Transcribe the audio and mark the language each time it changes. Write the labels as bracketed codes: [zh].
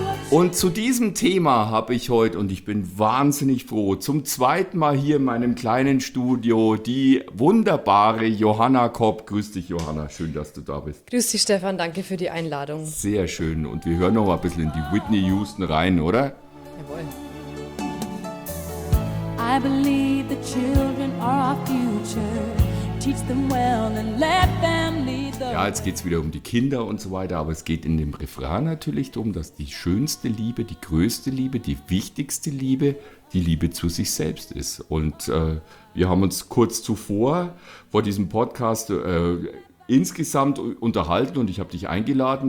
[de] Und zu diesem Thema habe ich heute, und ich bin wahnsinnig froh, zum zweiten Mal hier in meinem kleinen Studio die wunderbare Johanna Kopp. Grüß dich, Johanna. Schön, dass du da bist. Grüß dich, Stefan. Danke für die Einladung. Sehr schön. Und wir hören noch mal ein bisschen in die Whitney Houston rein, oder? Jawohl. [en] I believe the children are our future. Teach them well and let them lead the [de] way. Ja, jetzt geht es wieder um die Kinder und so weiter, aber es geht in dem Refrain natürlich darum, dass die schönste Liebe, die größte Liebe, die wichtigste Liebe, die Liebe zu sich selbst ist. Und wir haben uns kurz zuvor vor diesem Podcast insgesamt unterhalten und ich habe dich eingeladen.